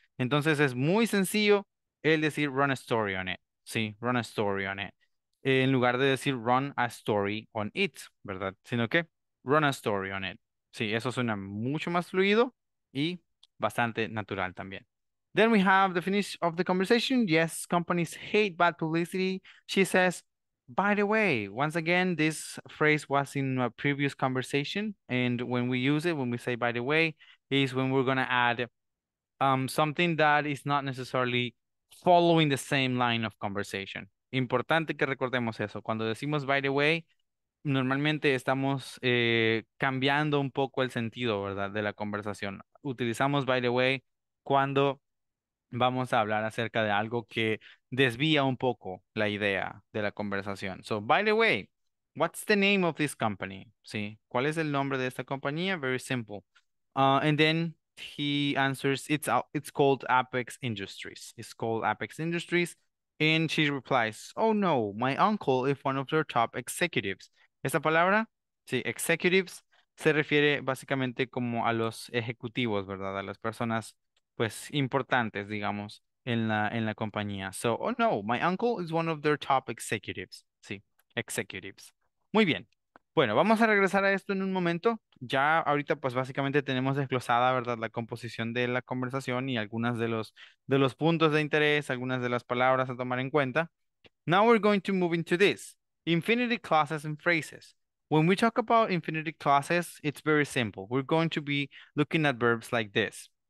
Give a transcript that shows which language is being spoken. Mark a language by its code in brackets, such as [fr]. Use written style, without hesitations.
[es] Entonces es muy sencillo el decir [en] run a story on it, [es] sí, run a story on it, en lugar de decir run a story on it, ¿verdad? Sino que [en] run a story on it. [es] Sí, eso suena mucho más fluido y bastante natural también. [en] Then we have the finish of the conversation. Yes, companies hate bad publicity. She says, by the way, once again, this phrase was in a previous conversation. And when we use it, when we say by the way, is when we're going to add something that is not necessarily following the same line of conversation. [es] Importante que recordemos eso. Cuando decimos [en] by the way, [es] normalmente estamos cambiando un poco el sentido, ¿verdad?, de la conversación. Utilizamos [en] by the way [es] cuando vamos a hablar acerca de algo que desvía un poco la idea de la conversación. [en] So, by the way, what's the name of this company? ¿Sí? [es] ¿Cuál es el nombre de esta compañía? [en] Very simple. And then he answers, it's called Apex Industries. It's called Apex Industries. And she replies, oh no, my uncle is one of their top executives. [es] Esta palabra, sí, executives, se refiere básicamente como a los ejecutivos, ¿verdad? A las personas, pues, importantes, digamos, en la compañía. [en] So, oh no, my uncle is one of their top executives. Sí, executives. [es] Muy bien. Bueno, vamos a regresar a esto en un momento. Ya ahorita, pues, básicamente tenemos desglosada, ¿verdad?, la composición de la conversación y algunas de los puntos de interés, algunas de las palabras a tomar en cuenta. [en] Now we're going to move into this. Infinity clauses and phrases. When we talk about infinity clauses, it's very simple. We're going to be looking at verbs like this.